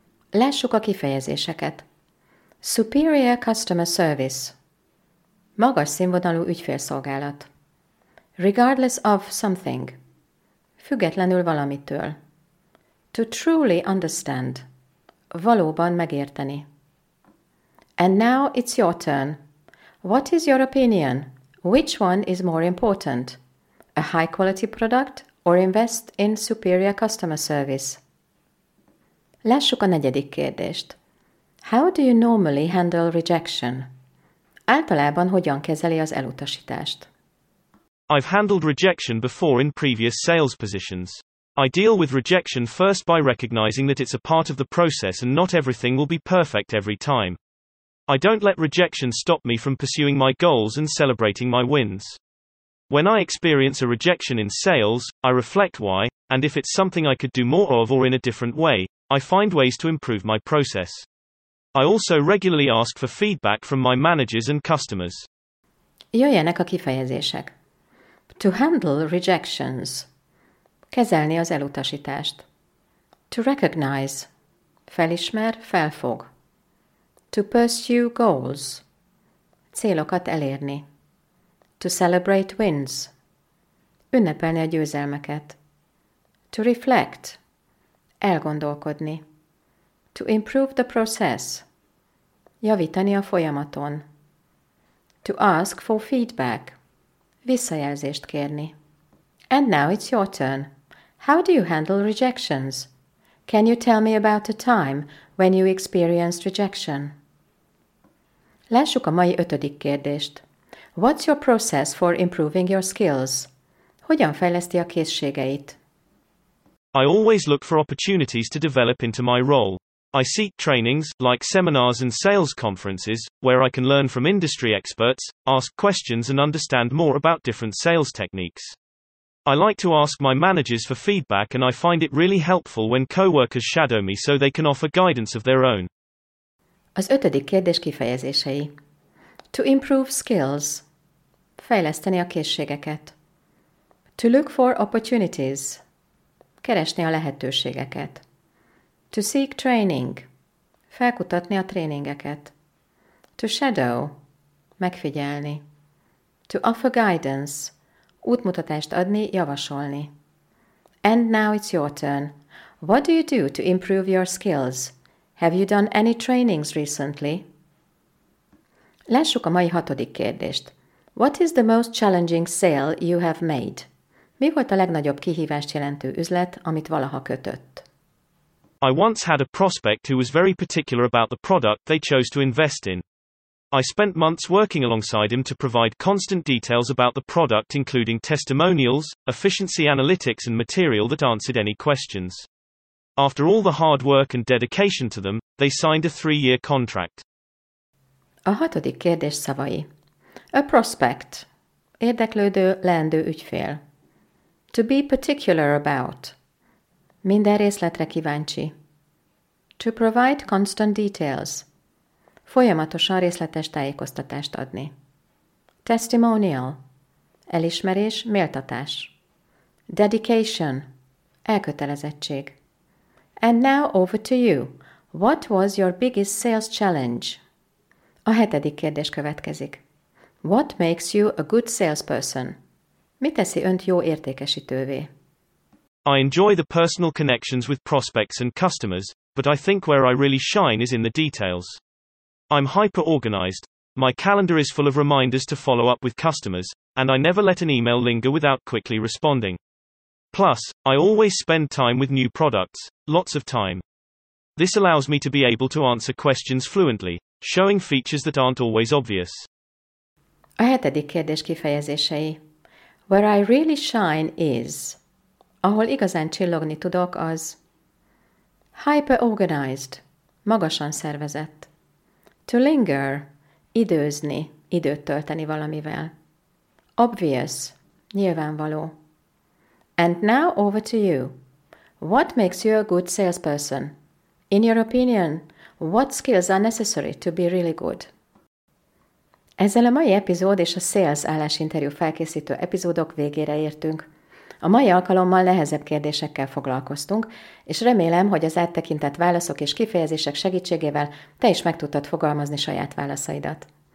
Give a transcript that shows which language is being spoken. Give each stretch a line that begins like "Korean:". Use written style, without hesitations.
Hungarian: Lássuk a kifejezéseket.
English: Superior customer service.
Hungarian: Magas színvonalú ügyfélszolgálat.
English: Regardless of something.
Hungarian: Függetlenül valamitől.
English: To truly understand.
Hungarian: Valóban megérteni.
English: And now it's your turn. What is your opinion? Which one is more important? A high-quality product or invest in superior customer service?
Hungarian: Lássuk a negyedik kérdést.
English: How do you normally handle rejection?
Hungarian: Általában hogyan kezeli az elutasítást?
English: I've handled rejection before in previous sales positions. I deal with rejection first by recognizing that it's a part of the process and not everything will be perfect every time. I don't let rejection stop me from pursuing my goals and celebrating my wins. When I experience a rejection in sales, I reflect why, and if it's something I could do more of or in a different way, I find ways to improve my process. I also regularly ask for feedback from my managers and customers. Jöjjenek a kifejezések. To handle rejections.
Hungarian: Kezelni az elutasítást.
English: To recognize.
Hungarian: Felismer, felfog.
English: To pursue goals.
Hungarian: Célokat elérni.
English: To celebrate wins.
Hungarian: Ünnepelni a győzelmeket.
English: To reflect.
Hungarian: Elgondolkodni.
English: To improve the process.
Hungarian: Javítani a folyamaton.
English: To ask for feedback.
Hungarian: Visszajelzést kérni.
English: And now it's your turn. How do you handle rejections? Can you tell me about a time when you experienced rejection?
Hungarian: Lássuk a mai ötödik kérdést.
English: What's your process for improving your skills?
Hungarian: Hogyan fejleszti a készségeit?
English: I always look for opportunities to develop into my role. I seek trainings, like seminars and sales conferences, where I can learn from industry experts, ask questions and understand more about different sales techniques. I like to ask my managers for feedback and I find it really helpful when co-workers shadow me so they can offer guidance of their own.
Hungarian: Az ötödik kérdés kifejezései.
English: To improve skills.
Hungarian: Fejleszteni a készségeket.
English: To look for opportunities.
Hungarian: Keresni a lehetőségeket.
English: To seek training.
Hungarian: Felkutatni a tréningeket.
English: To shadow.
Hungarian: Megfigyelni.
English: To offer guidance.
Hungarian: Útmutatást adni, javasolni.
English: And now it's your turn. What do you do to improve your skills? Have you done any trainings recently?
Hungarian: Lássuk a mai hatodik kérdést.
English: What is the most challenging sale you have made?
Hungarian: Mi volt a legnagyobb kihívást jelentő üzlet, amit valaha kötött?
English: I once had a prospect who was very particular about the product they chose to invest in. I spent months working alongside him to provide constant details about the product including testimonials, efficiency analytics and material that answered any questions. After all the hard work and dedication to them, they signed a 3-year contract.
Hungarian: A hatodik kérdés szavai.
English: A prospect.
Hungarian: Érdeklődő, leendő ügyfél.
English: To be particular about.
Hungarian: Minden részletre kíváncsi.
English: To provide constant details.
Hungarian: Folyamatosan részletes tájékoztatást adni.
English: Testimonial.
Hungarian: Elismerés, méltatás.
English: Dedication.
Hungarian: Elkötelezettség.
English: And now over to you. What was your biggest sales challenge?
Hungarian: A hetedik kérdés következik.
English: What makes you a good salesperson?
Hungarian: Mi teszi önt jó értékesítővé?
English: I enjoy the personal connections with prospects and customers, but I think where I really shine is in the details. I'm hyper-organized. My calendar is full of reminders to follow up with customers, and I never let an email linger without quickly responding. Plus, I always spend time with new products, lots of time. This allows me to be able to answer questions fluently, showing features that aren't always obvious.
Hungarian: A hetedik kérdés kifejezései.
English: Where I really shine is.
Hungarian: Ahol igazán csillogni tudok, az.
English: Hyper-organized.
Hungarian: Magasan szervezett.
English: To linger,
Hungarian: időzni, időt tölteni valamivel.
English: Obvious,
Hungarian: nyilvánvaló.
English: And now over to you. What makes you a good salesperson? In your opinion, what skills are necessary to be really good?
Hungarian: Ezzel a mai epizód és a sales állásinterjú felkészítő epizódok végére értünk. A mai alkalommal nehezebb kérdésekkel foglalkoztunk, és remélem, hogy az áttekintett válaszok és kifejezések segítségével te is meg tudtad fogalmazni saját válaszaidat.